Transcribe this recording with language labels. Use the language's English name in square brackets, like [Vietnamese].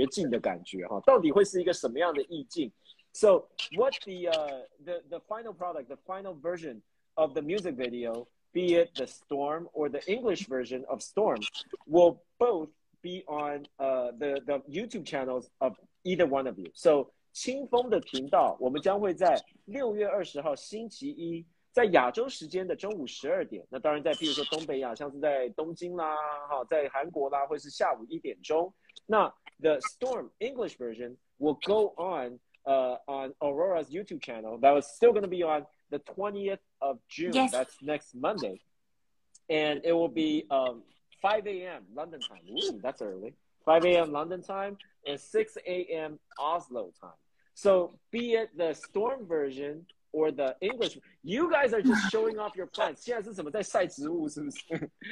[Chinese] 他说他觉得有一点点不好意思，因为这些亚洲人鞋子穿的都没有欧洲人来的好，所以走在雪地里头，他就特别要教清风怎么在雪地里头走路，因为他说他怕说大家走起路来都会非常辛苦啊这样，所以他也想要好好的这个表达一下地主之谊，所以就像我们在专辑单曲封面里头所看到的，你看全部都是雪地这样子的一个绝境的感觉哈，到底会是一个什么样的意境？ [English] So what the final product, the music video, be it the Storm or the English version of Storm, will both be on the YouTube channels of either one of you. [Chinese] So 清风的频道，我们将会在6月20号星期一，在亚洲时间的中午12点。那当然，在比如说东北亚，像是在东京啦，哈，在韩国啦，会是下午1点钟。那 [English] the Storm English version will go on Aurora's YouTube channel that was still going to be on the 20th of June. Yes. That's next Monday. And it will be 5 a.m. London time. Ooh, that's early. 5 a.m. London time and 6 a.m. Oslo time. So be it the Storm version or the English, you guys are just showing off your plans. [Chinese] 现在是什么在晒植物是不是?